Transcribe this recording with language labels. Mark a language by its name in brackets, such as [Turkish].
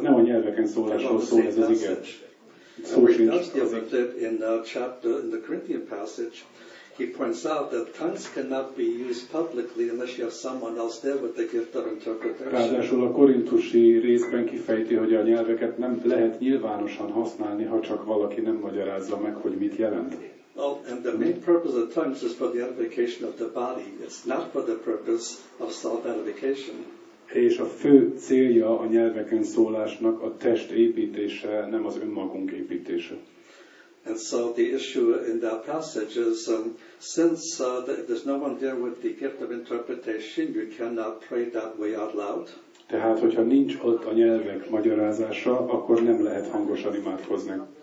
[Hungarian] nem a nyelveken szólásról szól ez az ige. Szó sincs az ige. [English] In the Corinthian passage, he points out that tongues cannot be used publicly unless you have someone else there with the gift of interpretation. [Hungarian] Ráadásul a korintusi részben kifejti, hogy a nyelveket nem lehet nyilvánosan használni, ha csak valaki nem magyarázza meg, hogy mit jelent. [English] Well, and the main purpose of tongues is for the edification of the body. It's not for the purpose of self-edification. [Hungarian] És a fő célja a nyelveken szólásnak a test építése, nem az önmagunk építése. [English] And so the issue in that passage is, since there's no one there with the gift of interpretation, you cannot pray that way out loud. [Hungarian] Tehát, hogyha nincs ott a nyelvek magyarázása, akkor nem lehet hangosan imádkozni.